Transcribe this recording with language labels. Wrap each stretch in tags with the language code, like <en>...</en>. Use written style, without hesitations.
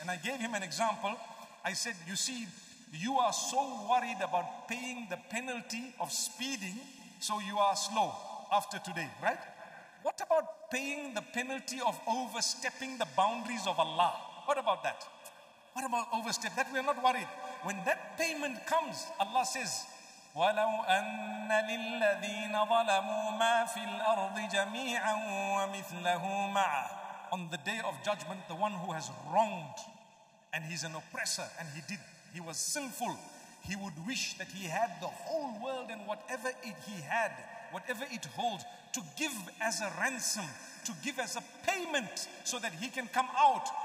<en>And I gave him an example. I said, you see, you are so worried about paying the penalty of speeding, so you are slow after today, right? What about paying the penalty of overstepping the boundaries of Allah? What about that? What about overstep? That we are not worried. When that payment comes, Allah says,</en> <ar>وَلَوْ أَنَّ لِلَّذِينَ ظَلَمُوا مَا فِي الْأَرْضِ جَمِيعًا وَمِثْلَهُ مَعَ.</ar> <en>On the day of judgment, the one who has wronged and he's an oppressor and he was sinful, he would wish that he had the whole world and whatever it he had, whatever it holds, to give as a ransom, to give as a payment so that he can come out.</en>